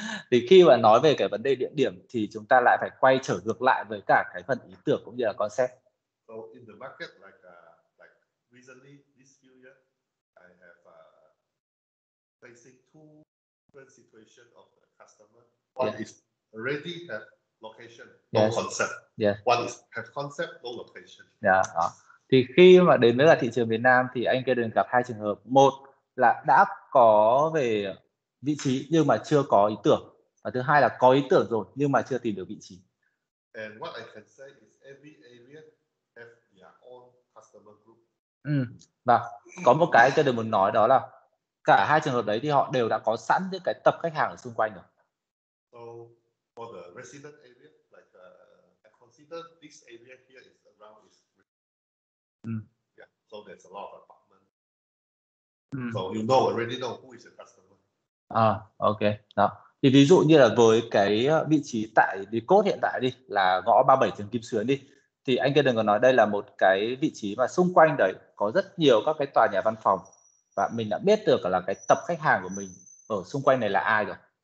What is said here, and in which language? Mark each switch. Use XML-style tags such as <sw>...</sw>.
<vi>Thì khi mà nói về cái vấn đề địa điểm thì chúng ta lại phải quay trở ngược lại với cả cái phần ý tưởng cũng như là concept.</vi> <en>So in the market, like recently this few years, I have facing two different situation of the customer. One is already have location, no concept. One is have concept, no location.</en> <vi>Thì khi mà đến với cả thị trường Việt Nam thì anh kia đừng gặp hai trường hợp. Một là đã có về vị trí nhưng mà chưa có ý tưởng. Và thứ hai là có ý tưởng rồi nhưng mà chưa tìm được vị trí.</vi> <en>And what I can say is every area have their own customer group.</en> <vi>Và có một cái tôi được muốn nói, đó là cả hai trường hợp đấy thì họ đều đã có sẵn những cái tập khách hàng ở xung quanh rồi.</vi> <en>So for the resident area, I consider this area here is around is so there's a lot of apartment. So you know already know who is the customer.</en> <vi>Ok, đó. Thì ví dụ như là với cái vị trí tại Decode hiện tại đi, là ngõ 37 Trần Kim Xuyến đi, thì anh kia đừng có nói đây là một cái vị trí mà xung quanh đấy có rất nhiều các cái tòa nhà văn phòng, và mình đã biết được là cái tập khách hàng của mình ở xung quanh này là ai rồi.</vi>